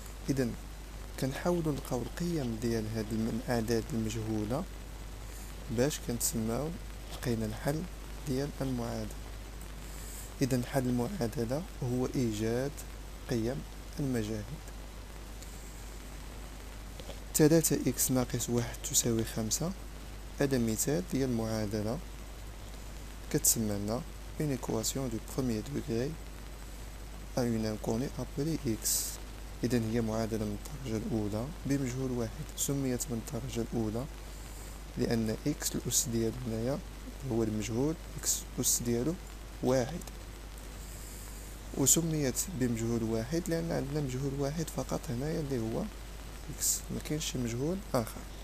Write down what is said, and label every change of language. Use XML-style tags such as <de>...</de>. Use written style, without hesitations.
<ar>اذا كنحاولوا نلقاو القيم ديال هاد الاعداد المجهوله باش كنتسماو لقينا الحل ديال المعادله. اذا حل المعادله هو ايجاد قيم المجاهيل. 3 اكس ناقص 1 تساوي 5، هذا مثال ديال المعادله كتسمى لنا</ar> <fr>une équation du premier degré à une inconnue appelée x.</fr> <ar>إذن هي معادلة من الدرجة الأولى بمجهول واحد، سميت من الدرجة الأولى لأن x الأس ديالو هنايا هو المجهول، x الأس ديالو واحد، وسميت بمجهول واحد لأن عندنا مجهول واحد فقط هنايا اللي هو x، ما كاينش مجهول آخر.</ar>